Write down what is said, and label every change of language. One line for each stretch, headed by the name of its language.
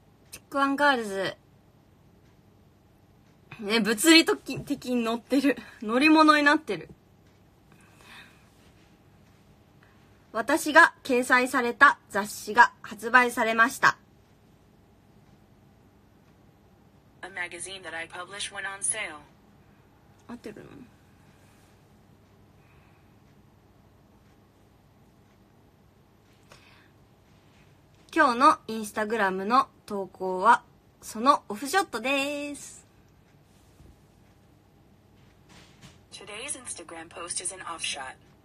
Japanese: チックワンガールズ。ね、物理的に乗ってる。乗り物になってる。私が掲載された雑誌が発売されました。
English: A magazine that I publish went on sale.
Japanese: 合ってるの？今日のインスタグラムの投稿はそのオフショットです。
English: Today's Instagram post is an offshot.